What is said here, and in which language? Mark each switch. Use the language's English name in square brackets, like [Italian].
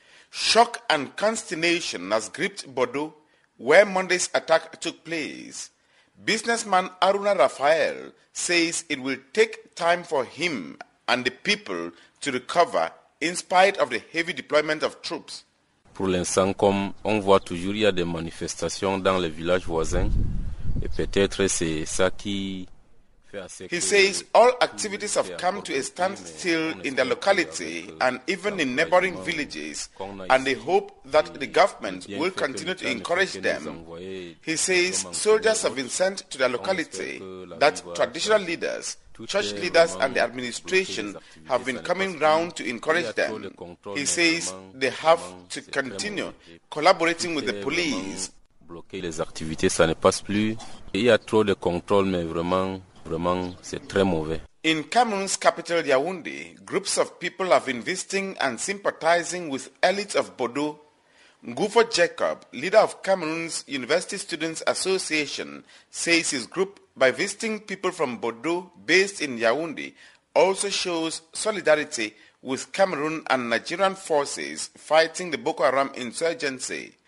[English] Shock and consternation has gripped Bordeaux, where Monday's attack took place. Businessman Aruna Raphael says it will take time for him and the people to recover in spite of the heavy deployment of troops. [French] Pour l'instant, comme on voit toujours, il y a des manifestations dans les villages voisins, et peut-être c'est ça qui fait assez. [English] He says all activities have come to a standstill in the locality and even in neighboring villages, and they hope that the government will continue to encourage them. He says soldiers have been sent to the locality, that traditional leaders, church leaders and the administration have been coming round to encourage them. He says they have to continue collaborating with the police. [French] Bloquer les activités, ça ne passe plus. Il y a trop de contrôle, mais vraiment, vraiment, c'est très mauvais. [English] In Cameroon's capital Yaoundé, groups of people have been visiting and sympathizing with elites of Bodo. Ngufo Jacob, leader of Cameroon's University Students Association, says his group, by visiting people from Bodo based in Yaoundé, also shows solidarity with Cameroon and Nigerian forces fighting the Boko Haram insurgency.